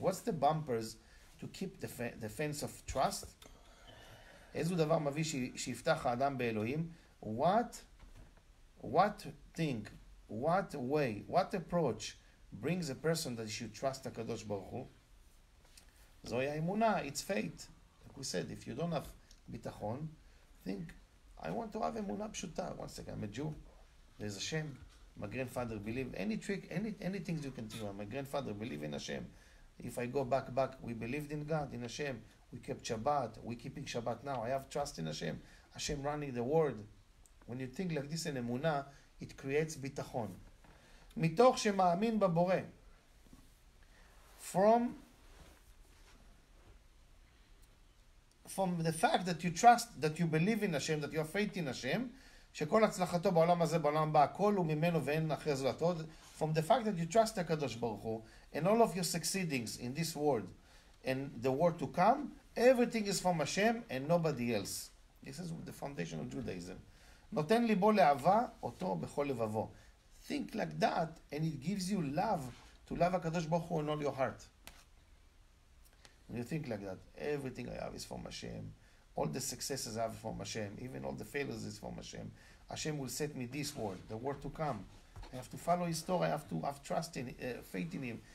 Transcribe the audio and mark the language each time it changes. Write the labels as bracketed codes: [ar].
[en] What's the bumpers to keep the fence of trust? [he] איזה דבר מביא שיפתח האדם באלוהים? [en] What thing? What way? What approach brings a person that should trust הקדוש ברוך הוא? [he] זוהי האמונה, [en] it's fate. Like we said, if you don't have ביטחון, think, I want to have [he] emunah pshuta. [en] One second, I'm a Jew. There's Hashem. My grandfather believed. Any trick, anything you can think of. My grandfather believed in Hashem. If I go back, we believed in God, in Hashem. We kept Shabbat. We're keeping Shabbat now. I have trust in Hashem. Hashem running the world. When you think like this in emunah, it creates bitachon. [he] Mitoch shema'amin babore. [en] From the fact that you trust, that you believe in Hashem, that you have faith in Hashem, [he] שכל הצלחתו בעולם הזה, בעולם הבא, הכל הוא ממנו ואין אחרי זולתו. [en] From the fact that you trust the Kadosh Baruch Hu, and all of your succeedings in this world, and the world to come, everything is from Hashem and nobody else. This is the foundation of Judaism. [he] נותן ליבו לאהבה אותו בכל לבבו. [en] Think like that, and it gives you love to love Kadosh Baruch Hu in all your heart. When you think like that, everything I have is from Hashem. All the successes I have from Hashem. Even all the failures is from Hashem. Hashem will set me this world, the world to come. I have to follow His Torah. I have to have trust in, faith in Him.